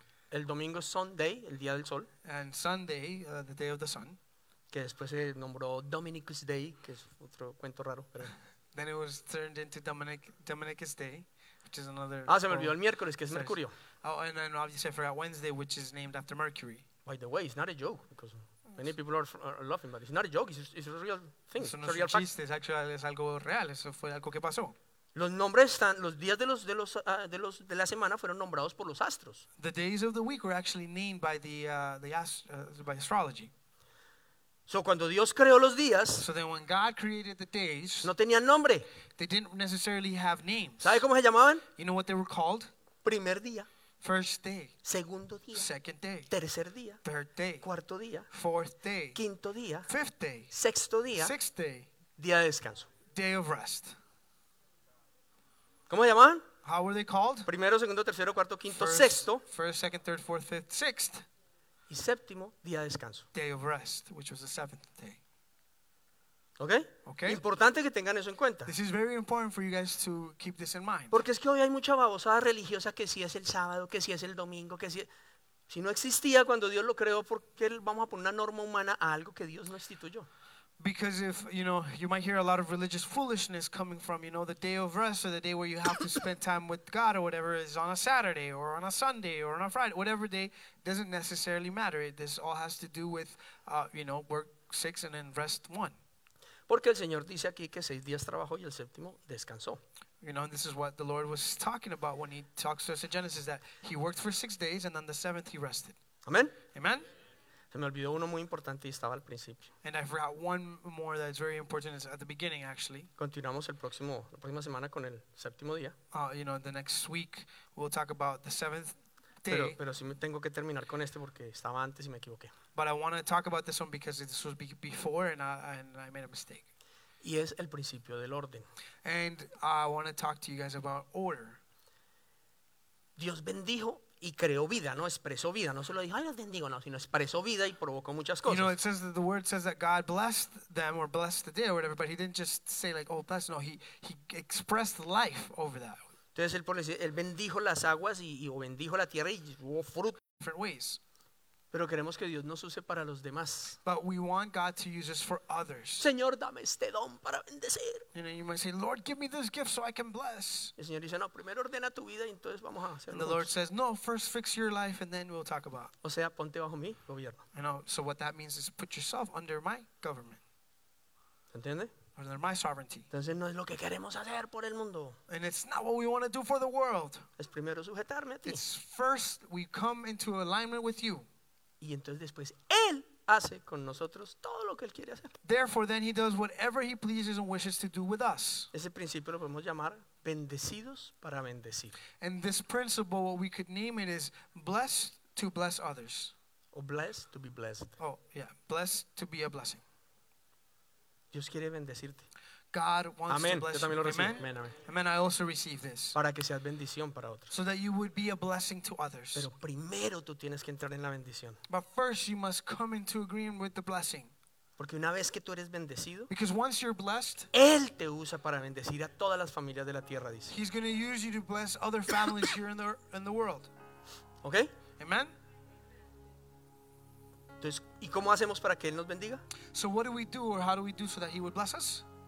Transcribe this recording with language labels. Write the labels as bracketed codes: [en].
[es] El domingo es Sunday, el día del sol. [en] And Sunday, the day of the sun. [es] Que después se nombró Dominicus Day, que es otro cuento raro. Pero [en] then it was turned into Dominicus Day, which is another. [es] Ah, se me olvidó el miércoles, que es Mercurio. [en] Oh, and then obviously I forgot Wednesday, which is named after Mercury. By the way, it's not a joke because many people are laughing, but it's not a joke. It's a real thing. It's a real fact. [es] Es algo real. Eso fue algo que pasó. Los nombres están, los días de los de los de los de la semana fueron nombrados por los astros. [en] The days of the week were actually named by the by astrology. [es] So cuando Dios creó los días, [en] so then when God created the days, [es] no tenían nombre. [en] They didn't necessarily have names. [es] ¿Sabe cómo se llamaban? [en] You know what they were called? [es] Primer día. [en] First day. [es] Segundo día. [en] Second day. [es] Tercer día. [en] Third day. [es] Cuarto día. [en] Fourth day. [es] Quinto día. [en] Fifth day. [es] Sexto día. [en] Sixth day. [es] Día de descanso. [en] Day of rest. [es] ¿Cómo se llamaban? [en] How were they called? [es] Primero, segundo, tercero, cuarto, quinto, sexto. [en] First, second, third, fourth, fifth, sixth. [es] Y séptimo, día de descanso. [en] Day of rest, which was the seventh day. Okay? Okay. [es] Importante que tengan eso en cuenta. [en] This is very important for you guys to keep this in mind. [es] Porque es que hoy hay mucha babosada religiosa que si es el sábado, que si es el domingo, que si es... Si no existía cuando Dios lo creó, ¿por qué vamos a poner una norma humana a algo que Dios no instituyó? [en] Because if, you know, you might hear a lot of religious foolishness coming from, you know, the day of rest or the day where you have to spend time with God or whatever is on a Saturday or on a Sunday or on a Friday, whatever day, doesn't necessarily matter. This all has to do with, you know, work six and then rest one. [es] Porque el Señor dice aquí que seis días trabajó y el séptimo descansó. [en] You know, and this is what the Lord was talking about when he talks to us in Genesis, that he worked for 6 days and on the seventh he rested. Amen. Amen. [es] Se me olvidó uno muy importante y estaba al principio. [en] And I forgot one more that is very important. It's at the beginning, actually. [es] Continuamos el próximo, la próxima semana con el séptimo día. [en] You know, the next week we'll talk about the seventh day. [es] Pero sí me tengo que terminar con este porque estaba antes y me equivoqué. [en] But I want to talk about this one because this was before and I made a mistake. [es] Y es el principio del orden. [en] And I want to talk to you guys about order. [es] Dios bendijo y creó vida, no expresó vida, no solo dijo ay los bendigo, no, sino expresó vida y provocó muchas cosas. [en] You know, it says that the word says that God blessed them or blessed the day or whatever, but he didn't just say like, oh, bless, no, he expressed life over that. [es] Entonces él bendijo las aguas y o bendijo la tierra y hubo fruto. [en] Different ways. [es] Pero queremos que Dios nos use para los demás. [en] But we want God to use us for others. [es] Señor, dame este don para bendecir. [en] You know, you might say, Lord, give me this gift so I can bless. [es] El Señor dice, no, primero ordena tu vida y entonces vamos a hacerlo. [en] And the Lord says, no, first fix your life and then we'll talk about. [es] O sea, ponte bajo mi gobierno. [en] You know, so what that means is put yourself under my government. [es] ¿Entiende? [en] Under my sovereignty. [es] Entonces no es lo que queremos hacer por el mundo. [en] And it's not what we want to do for the world. [es] Es primero sujetarme a ti. [en] It's first we come into alignment with you. [es] Y entonces después él hace con nosotros todo lo que él quiere hacer. [en] Therefore, then he does whatever he pleases and wishes to do with us. [es] Ese principio lo podemos llamar bendecidos para bendecir. [en] And this principle, what we could name it is blessed to bless others. Or blessed to be blessed. Oh, yeah, blessed to be a blessing. [es] Dios quiere bendecirte. [en] God wants amen. To bless [es] yo también [en] you. [es] Lo amen. Amen, amen. [en] Amen. I also receive this. [es] Para que seas bendición para otros. [en] So that you would be a blessing to others. [es] Pero primero tú tienes que entrar en la bendición. [en] But first you must come into agreement with the blessing. [es] Porque una vez que tú eres bendecido, [en] because once you're blessed, [es] él te usa para bendecir a todas las familias de la tierra, dice. [en] He's going to use you to bless other families here in the world. Okay? Amen. [es] Entonces, ¿y cómo hacemos para que él nos bendiga? [en] So what do we do or how do we do so that he would bless us?